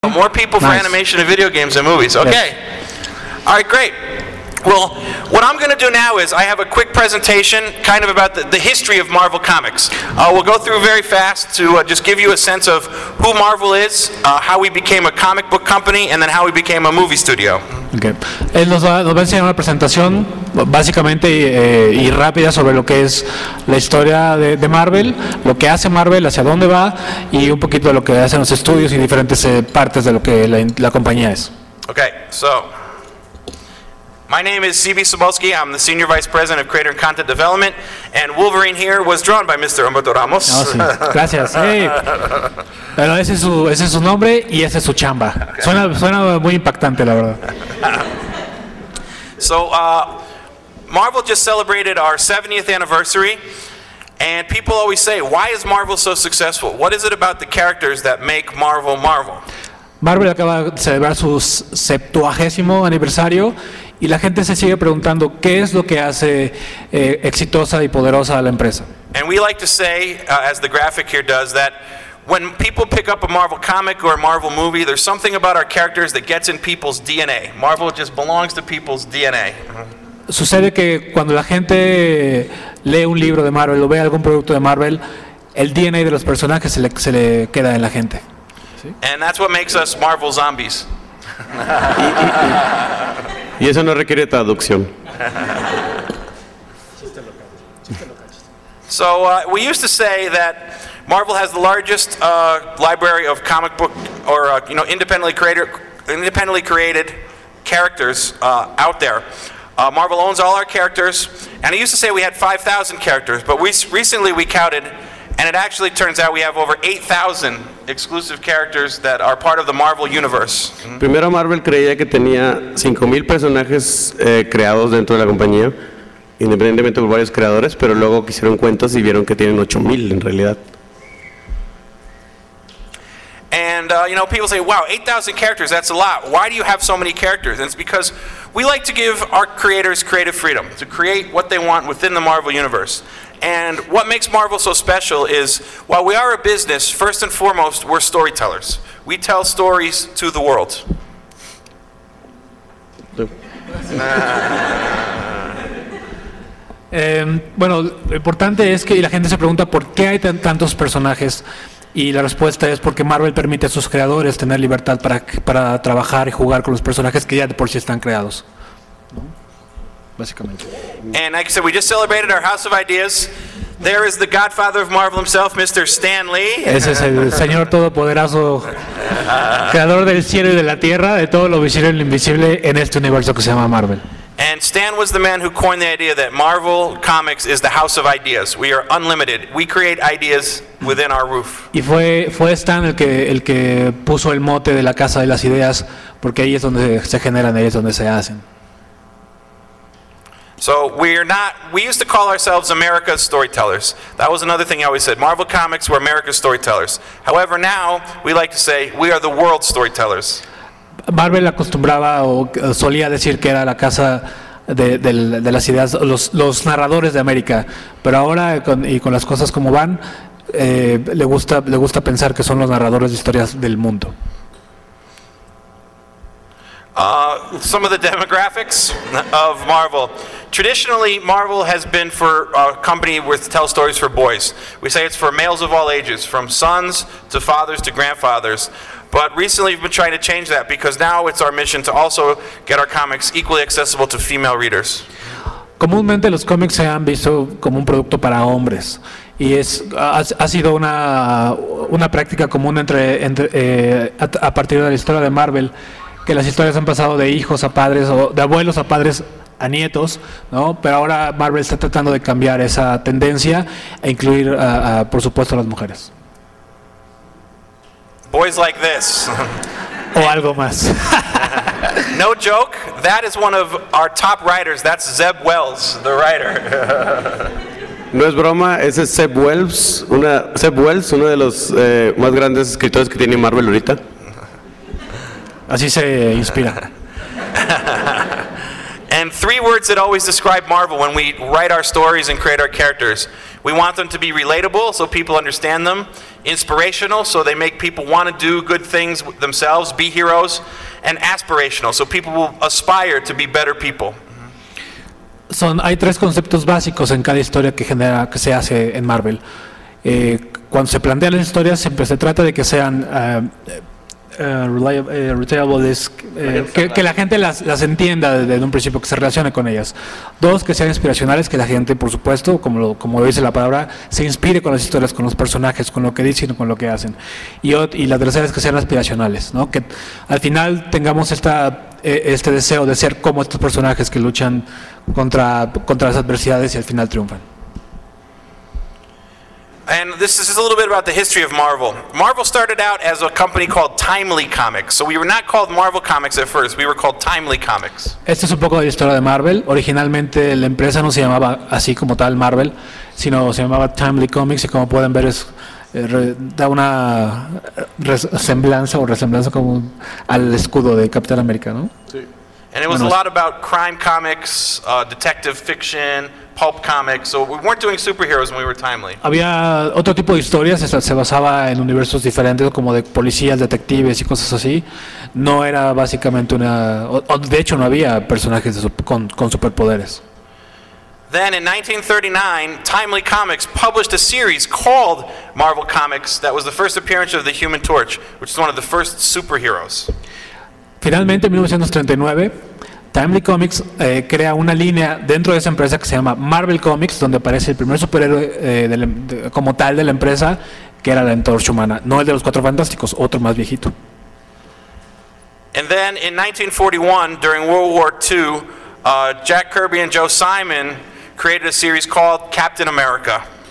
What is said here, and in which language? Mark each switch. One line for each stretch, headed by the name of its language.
English: More people for animation and video games and movies. Okay. Yes. All right, great. Well, what I'm going to do now is I have a quick presentation kind of about the history of Marvel Comics. We'll go through very fast to just give you a sense of who Marvel is, how we became a comic book company, and then how we became a movie studio. Okay.
Spanish: Él nos va a enseñar una presentación básicamente y rápida sobre lo que es la historia de Marvel, lo que hace Marvel, hacia dónde va, y un poquito de lo que hacen los estudios y diferentes partes de lo que la compañía es.
English: Okay, so... My name is C.B. Cebulski. I'm the Senior Vice President of Creator and Content Development. And Wolverine here was drawn by Mr. Humberto Ramos.
Spanish: Oh, sí. Gracias. Hey. Pero ese es su nombre y esa es su chamba. Okay. Suena muy impactante, la verdad.
English: So, Marvel just celebrated our 70th anniversary. And people always say, why is Marvel so successful? What is it about the characters that make Marvel, Marvel?
Spanish: Marvel acaba de celebrar su 70º aniversario. Y la gente se sigue preguntando qué es lo que hace exitosa y poderosa a la empresa.
English: And we like to say, as the graphic here does, that when people pick up a Marvel comic or a Marvel movie, there's something about our characters that gets in people's DNA. Marvel just belongs to people's DNA.
Spanish: Sucede que cuando la gente lee un libro de Marvel o ve algún producto de Marvel, el DNA de los personajes se le queda en la gente.
English: ¿Sí? And that's what makes us Marvel zombies.
Spanish: Y eso no requiere traducción.
English: So we used to say that Marvel has the largest library of comic book or independently created characters out there. Marvel owns all our characters, and I used to say we had 5,000 characters, but recently we counted, and it actually turns out we have over 8,000 exclusive characters that are part of the Marvel universe.
Spanish: Primero Marvel creía que tenía 5,000 personajes creados dentro de la compañía, independientemente por varios creadores, pero luego hicieron cuentas y vieron que tienen 8,000 en realidad.
English: And you know, people say, "Wow, 8,000 characters, that's a lot. Why do you have so many characters?" And it's because we like to give our creators creative freedom to create what they want within the Marvel universe. And what makes Marvel so special is, while we are a business, first and foremost, we're storytellers. We tell stories to the world.
Spanish: Bueno, lo importante es que la gente se pregunta por qué hay tantos personajes, y la respuesta es porque Marvel permite a sus creadores tener libertad para trabajar y jugar con los personajes que ya de por sí están creados.
English: And like I said, we just celebrated our House of Ideas. There is the godfather of Marvel himself, Mr. Stan Lee.
Spanish: Ese es el señor todopoderoso, creador del cielo y de la tierra, de todo lo visible y lo invisible en este universo que se llama Marvel.
English: And Stan was the man who coined the idea that Marvel Comics is the House of Ideas. We are unlimited. We create ideas within our roof.
Spanish: Y fue Stan el que puso el mote de la casa de las ideas, porque ahí es donde se generan, ahí es donde se hacen.
English: So we used to call ourselves America's Storytellers. That was another thing I always said. Marvel Comics were America's Storytellers. However, now we like to say we are the world's storytellers.
Spanish: Marvel acostumbraba o solía decir que era la casa de las ideas, los narradores de América. Pero ahora, con las cosas como van, le gusta pensar que son los narradores de historias del mundo.
English: Some of the demographics of Marvel. Traditionally, Marvel has been for a company with tell stories for boys. We say it's for males of all ages, from sons to fathers to grandfathers. But recently, we've been trying to change that because now it's our mission to also get our comics equally accessible to female readers.
Spanish: Comúnmente, los cómics se han visto como un producto para hombres. Y es ha sido una práctica común a partir de la historia de Marvel, que las historias han pasado de hijos a padres o de abuelos a padres a nietos, ¿no? Pero ahora Marvel está tratando de cambiar esa tendencia e incluir, por supuesto, a las mujeres.
English: Boys like this.
Spanish: O algo más.
English: No joke, that is one of our top writers. That's Zeb Wells, the writer.
Spanish: No es broma, ese es Zeb Wells, uno de los más grandes escritores que tiene Marvel ahorita. Así se inspira.
English: And three words that always describe Marvel when we write our stories and create our characters. We want them to be relatable so people understand them, inspirational so they make people want to do good things themselves, be heroes, and aspirational so people will aspire to be better people.
Spanish: Son, hay tres conceptos básicos en cada historia que genera, que se hace en Marvel. Cuando se plantean las historias, siempre se trata de que sean que la gente las entienda desde un principio, que se relacione con ellas. Dos, que sean inspiracionales, que la gente, por supuesto, como lo dice la palabra, se inspire con las historias, con los personajes, con lo que dicen, con lo que hacen. Y la tercera es que sean aspiracionales, ¿no? Que al final tengamos este deseo de ser como estos personajes que luchan contra las adversidades y al final triunfan.
English: And this is a little bit about the history of Marvel. Marvel started out as a company called Timely Comics. So we were not called Marvel Comics at first. We were called Timely Comics.
Spanish: Esto es un poco de la historia de Marvel. Originalmente la empresa no se llamaba así como tal Marvel, sino se llamaba Timely Comics. Y como pueden ver, es da una resemblanza como al escudo de Capitán América, ¿no? Sí.
English: And it was a lot about crime comics, detective fiction, pulp comics. So we weren't doing superheroes when we were Timely.
Spanish: Había otro tipo de historias, se basaba en universos diferentes como de policías, detectives y cosas así. No era básicamente de hecho no había personajes con superpoderes.
English: Then in 1939, Timely Comics published a series called Marvel Comics that was the first appearance of the Human Torch, which is one of the first superheroes.
Spanish: Finalmente, en 1939, Timely Comics crea una línea dentro de esa empresa que se llama Marvel Comics, donde aparece el primer superhéroe como tal de la empresa, que era la Antorcha Humana. No el de los Cuatro Fantásticos, otro más viejito.
English: And then in 1941, during World War II, Jack Kirby and Joe Simon created a series called Captain America.